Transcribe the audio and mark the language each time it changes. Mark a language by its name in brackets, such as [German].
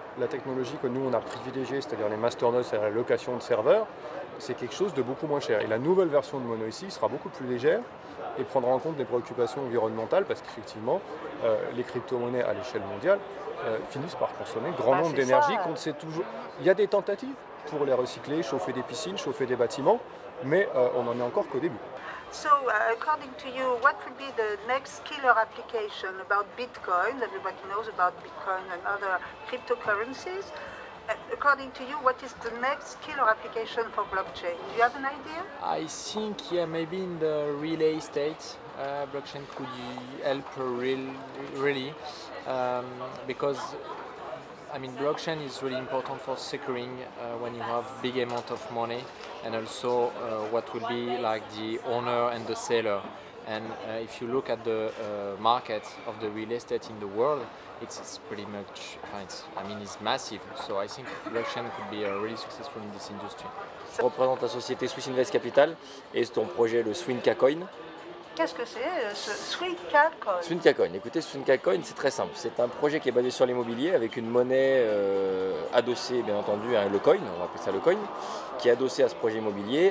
[French] la technologie que nous on a privilégiée, c'est-à-dire les masternodes, c'est-à-dire la location de serveurs, c'est quelque chose de beaucoup moins cher. Et la nouvelle version de Mono ici sera beaucoup plus légère et prendra en compte des préoccupations environnementales parce qu'effectivement, les crypto-monnaies à l'échelle mondiale finissent par consommer grand nombre d'énergie. Qu'on sait toujours. Il y a des tentatives pour les recycler, chauffer des piscines, chauffer des bâtiments, mais on n'en est encore qu'au début. [English] So, according to you, what would be the next killer application about Bitcoin? Everybody knows about Bitcoin and other cryptocurrencies. According to you, what is the next killer application for blockchain? Do you have an idea? I think, yeah, maybe in the relay state, blockchain could help really, because I mean, blockchain is really important for securing when you have big amount of money, and also what will be like the owner and the seller. And if you look at the market of the real estate in the world, it's pretty much, it's massive. So I think blockchain could be really successful in this industry. [French] Je représente la société Swiss Invest Capital et ton projet le Swinca Coin. Qu'est-ce que c'est, Swinca Coin? Swinca Coin, écoutez, Swinca Coin, c'est très simple. C'est un projet qui est basé sur l'immobilier avec une monnaie adossée, bien entendu, à le coin, on appelle ça le coin, qui est adossé à ce projet immobilier.